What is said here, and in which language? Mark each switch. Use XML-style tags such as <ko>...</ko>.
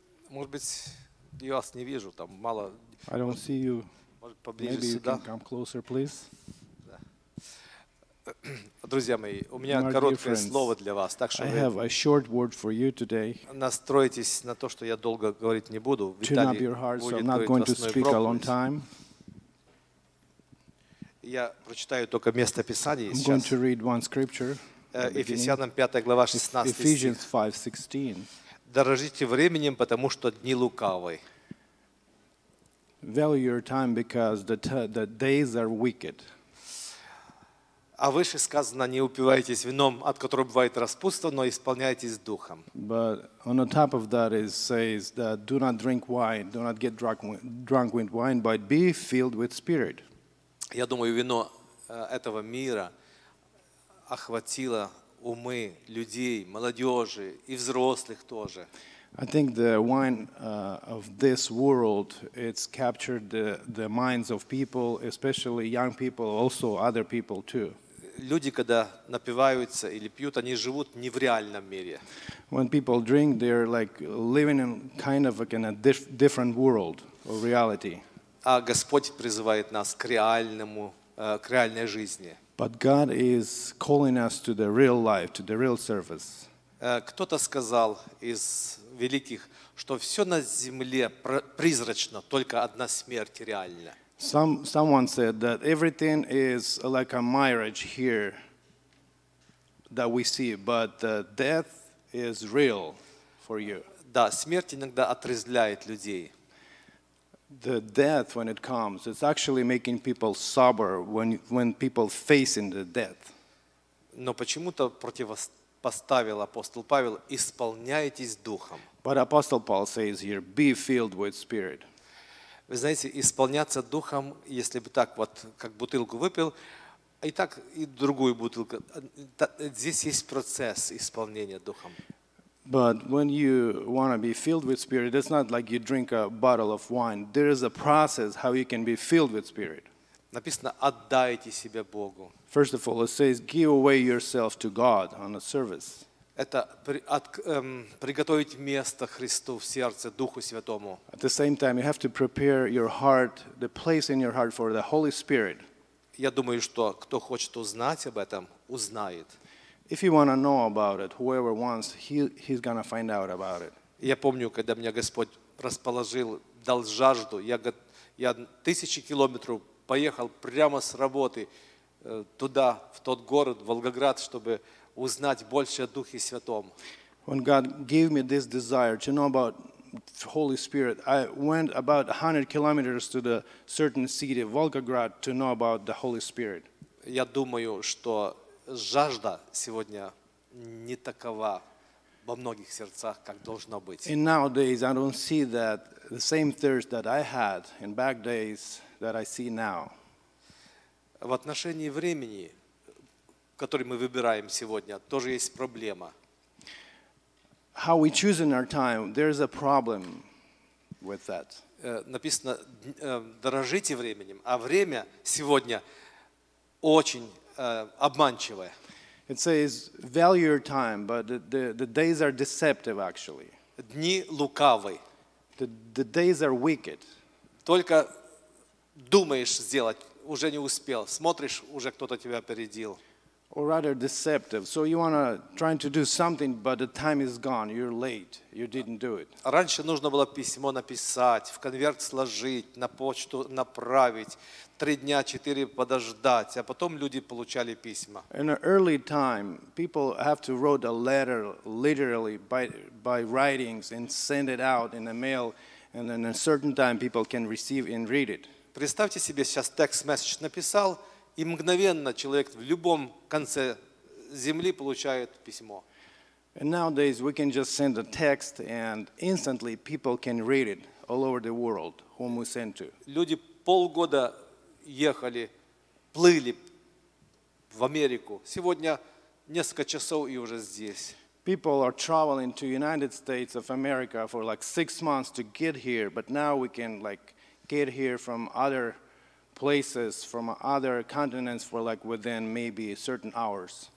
<ru>Может быть, я вас не вижу, там мало.</ru> <en>I don't see you.</en> <ru>Может, поближе сюда?</ru> <en>Maybe you can come closer, please.</en> <ru>Друзья мои, у меня короткое слово для вас, так что</ru> <en>I have a short word for you today.</en> <ru>Настройтесь на то, что я долго говорить не буду.</ru> <en>Tune up your hearts, so I'm not going to speak a long time.</en> <ru>Я прочитаю только место Писания сейчас.</ru> <en>I'm going to read one scripture.</en> <ru>Ефесянам 5 глава 16</ru> <en>Ephesians 5:16.</en> <ru>Дорожите временем, потому что дни лукавы.</ru> <en>Value your time because the days are wicked.</en> <ru>А выше сказано, не упивайтесь вином, от которого бывает распутство, но исполняйтесь духом.</ru> <en>But on the top of that it says that do not drink wine, do not get drunk with wine, but be filled with spirit.</en> <ru>Я думаю, вино этого мира охватило умы людей, молодежи и взрослых тоже.</ru> <en>I think the wine of this world, it's captured the minds of people, especially young people, also other people too.</en> <ru>Люди, когда напиваются или пьют, они живут не в реальном мире.</ru> <en>When people drink, they're like living in kind of like in a different world or reality.</en> <ru>А Господь призывает нас к реальному, к реальной жизни.</ru> <en>But God is calling us to the real life, to the real service.</en> <ru>Кто-то сказал из великих, что все на земле призрачно, только одна смерть реальна.</ru> <en>Someone said that everything is like a mirage here that we see, but death is real for you.</en> <ru>Да, смерть иногда отрезвляет людей.</ru> <en>The death, when it comes, it's actually making people sober when people facing the death.</en> <ru>Но почему-то противопоставил апостол Павел, исполняйтесь духом.</ru> <en>But Apostle Paul says here, be filled with spirit.</en> <ru>Вы знаете, исполняться духом, если бы так вот, как бутылку выпил, и так и другую бутылку. Здесь есть процесс исполнения духом.</ru> <en>But when you want to be filled with spirit, it's not like you drink a bottle of wine. There is a process how you can be filled with spirit.</en> <ru>Написано, отдайте себя Богу.</ru> <en>First of all, it says, give away yourself to God on a service.</en> <ru>Это приготовить место Христу в сердце, Духу Святому.</ru> <en>At the same time, you have to prepare your heart, the place in your heart for the Holy Spirit.</en> <ru>Я думаю, что кто хочет узнать об этом, узнает.</ru> <en>If you want to know about it, whoever wants, he's going to find out about it.</en> <ru>Я помню, когда меня Господь расположил, дал жажду, я тысячи километров поехал прямо с работы туда, в тот город, Волгоград, чтобы узнать больше о Духе Святом.</ru> <en>When God gave me this desire to know about the Holy Spirit, I went about 100 kilometers to the certain city, Volgograd, to know about the Holy Spirit.</en> <ru>Я думаю, что жажда сегодня не такова во многих сердцах, как должно быть.</ru> <en>And nowadays I don't see that the same thirst that I had in back days that I see now.</en> <ru>В отношении времени, который мы выбираем сегодня, тоже есть проблема.</ru> <en>How we choose our time, there's a problem with that.</en> <ru>Написано, дорожите временем, а время сегодня очень обманчивое.</ru> <en>It says, value your time, but the days are deceptive, actually.</en> <ru>Дни лукавы.</ru> <en>The days are wicked.</en> <ru>Только думаешь сделать, уже не успел. Смотришь, уже кто-то тебя опередил.</ru> <en>Or rather deceptive. So you want to try to do something, but the time is gone. You're late. You didn't do it.</en> <ru>Раньше нужно было письмо написать, в конверт сложить, на почту направить, 3 дня, 4 подождать, а потом люди получали письма.</ru> <en>In an early time, people have to write a letter literally by writings and send it out in the mail, and then a certain time people can receive and read it.</en> <ru>Представьте себе, сейчас текст-месседж написал, и мгновенно человек в любом конце земли получает письмо.</ru> <en>And nowadays we can just send a text and instantly people can read it all over the world whom we send to.</en> <ru>Люди полгода ехали, плыли в Америку. Сегодня несколько часов и уже здесь.</ru> <en>People are traveling to United States of America for like 6 months to get here, but now we can like get here from other places from other continents for like within maybe certain hours.</en>